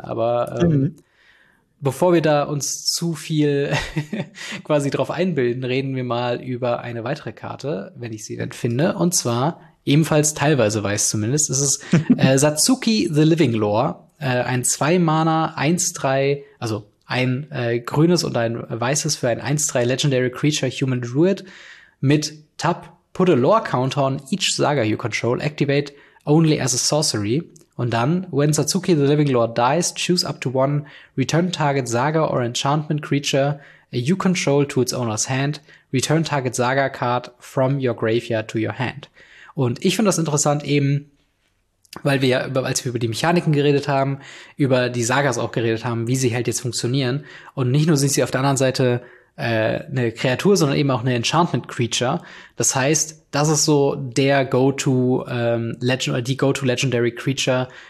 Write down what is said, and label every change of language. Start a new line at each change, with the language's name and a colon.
German: Aber bevor wir da uns zu viel quasi drauf einbilden, reden wir mal über eine weitere Karte, wenn ich sie denn finde. Und zwar, ebenfalls teilweise weiß zumindest, ist es Satsuki the Living Lore. Ein 2-Mana, 1-3, also ein grünes und ein weißes für ein 1-3 Legendary Creature Human Druid mit Tap.
English: Put a lore counter on each saga you control, activate only as a sorcery.
German: Und dann,
English: when Satsuki the Living Lore dies, choose up to one return target saga or enchantment creature you control to its owner's hand, return target saga card from your graveyard to your hand.
German: Und ich finde das interessant eben, weil wir ja, als wir über die Mechaniken geredet haben, über die Sagas auch geredet haben, wie sie halt jetzt funktionieren. Und nicht nur sind sie auf der anderen Seite eine Kreatur, sondern eben auch eine Enchantment-Creature. Das heißt, das ist so der Go-to die Go-to-Legendary-Creature.